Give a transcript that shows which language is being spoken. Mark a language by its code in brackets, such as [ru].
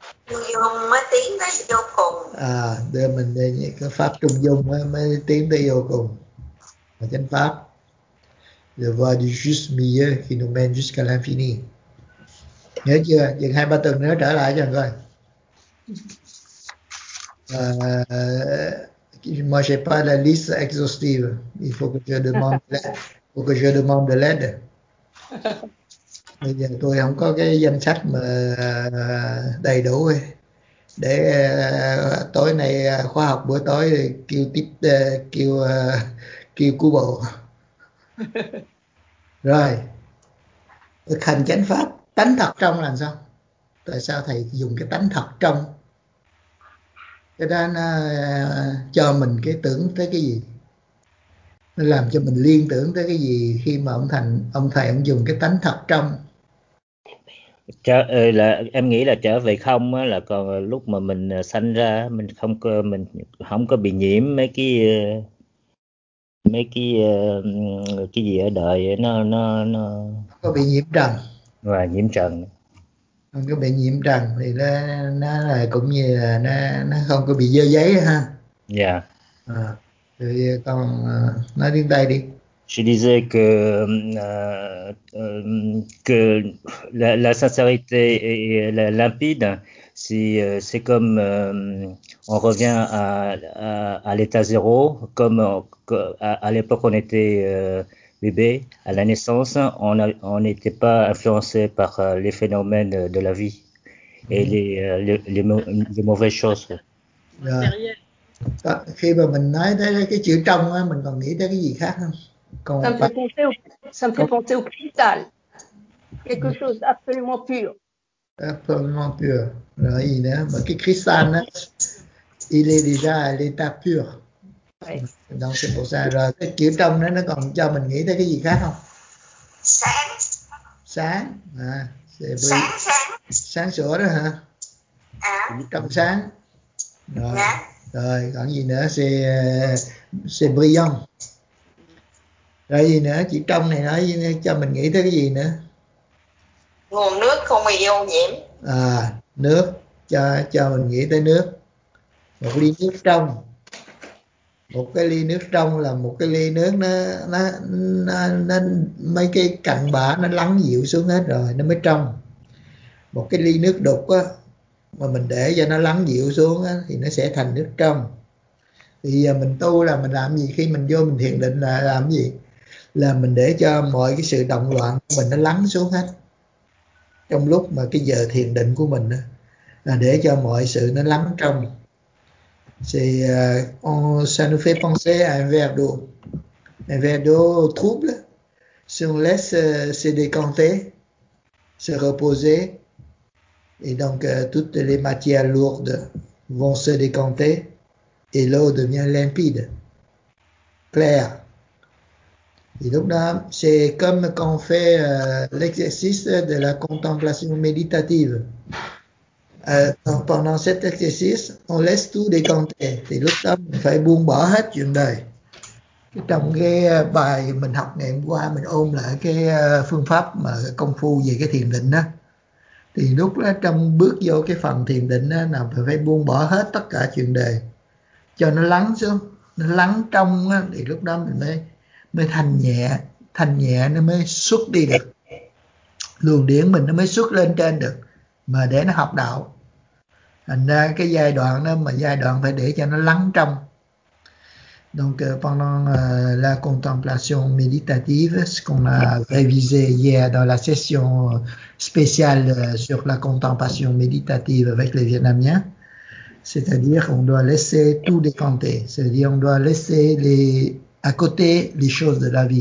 [vi] Trung dung mới tiến tới vô cùng. À, đưa mình về cái pháp trung dung mới tiến tới vô cùng. Mà chánh pháp. [fr] Le voie du juste milieu qui nous mène jusqu'à l'infini. [vi] Nhớ chưa? Dừng 2-3 tuần nữa trở lại cho anh coi. [fr] Moi, j'ai pas la liste exhaustive. Il faut que je demande l'aide. Faut que je demande de l'aide. [vi] Bây giờ tôi không có cái danh sách mà đầy đủ. Để tối nay khóa học bữa tối kêu tiếp, kêu cứu bộ. Rồi. Thực hành chánh pháp. Tánh thật trong là sao? Tại sao thầy dùng cái tánh thật trong? Cái đó nó cho mình cái tưởng tới cái gì? Nó làm cho mình liên tưởng tới cái gì khi mà ông thầy ông dùng cái tánh thật trong? Em nghĩ là trở về không á, là còn lúc mà mình sanh ra mình không có bị nhiễm mấy cái gì ở đời nó có bị nhiễm trần. Và nhiễm trần. Không có bị nhiễm trần thì nó là cũng như là nó không có bị dơ giấy ha. Dạ. Yeah. Thì con nói tiếng Tây đi. [fr] Je disais que la sincérité est limpide, c'est comme on revient à l'état zéro, comme à l'époque on était bébé, à la naissance, on n'était pas influencé par les phénomènes de la vie et les mauvaises choses. [vi] Khi mà mình nói tới cái chữ trong, mình còn nghĩ tới cái gì khác không? [fr] Ça me fait penser au cristal. Quelque chose absolument pur. Absolument pur. [vi] Rồi, gì nữa? Mà cái [fr] cristal, il est déjà à l'état pur. Donc c'est pour ça. [vi] Rồi cái chữ trong nó còn cho mình nghĩ tới cái gì khác không? Sáng. Sáng. À, [fr] c'est bri... [vi] Sáng sáng. Sáng sủa đó hả? À. Trong sáng. Rồi. Yeah. Rồi còn gì nữa? [fr] C'est brillant. [vi] Rồi gì nữa? Chữ trong này nói cho mình nghĩ tới cái gì nữa? Nguồn nước không bị ô nhiễm. À, nước. Cho mình nghĩ tới nước. Một ly nước trong. Một cái ly nước trong là một cái ly nước nó mấy cái cặn bã nó lắng dịu xuống hết rồi nó mới trong. Một cái ly nước đục á mà mình để cho nó lắng dịu xuống á thì nó sẽ thành nước trong. Thì giờ mình tu là mình làm gì? Khi mình vô mình thiền định là làm gì? Là mình để cho mọi cái sự động loạn của mình nó lắng xuống hết. Trong lúc mà cái giờ thiền định của mình á là để cho mọi sự nó lắng trong. [fr] Ça nous fait penser à un verre d'eau. Un verre d'eau trouble, si on laisse se décanter, se reposer, Et donc, toutes les matières lourdes vont se décanter et l'eau devient limpide, claire. Et donc là, c'est comme quand on fait l'exercice de la contemplation méditative. Pendant cet exercice, on laisse tout décanter. [vi] Thì lúc đó mình phải buông bỏ hết chuyện đời. Trong cái bài mình học ngày hôm qua, mình ôm lại cái phương pháp mà công phu về cái thiền định đó. Thì lúc đó trong bước vô cái phần thiền định đó, là phải buông bỏ hết tất cả chuyện đời. Cho nó lắng xuống, nó lắng trong đó, thì lúc đó mình mới thành nhẹ nó mới xuất đi được. Luồng điển mình nó mới xuất lên trên được. Mà để nó học đạo. Thành ra cái giai đoạn đó mà giai đoạn phải để cho nó lắng trong. [fr] Donc pendant la contemplation méditative, ce qu'on a révisé hier dans la session spéciale sur la contemplation méditative avec les Vietnamiens, c'est-à-dire qu'on doit laisser tout décanter. C'est-à-dire qu'on doit laisser à côté les choses de la vie.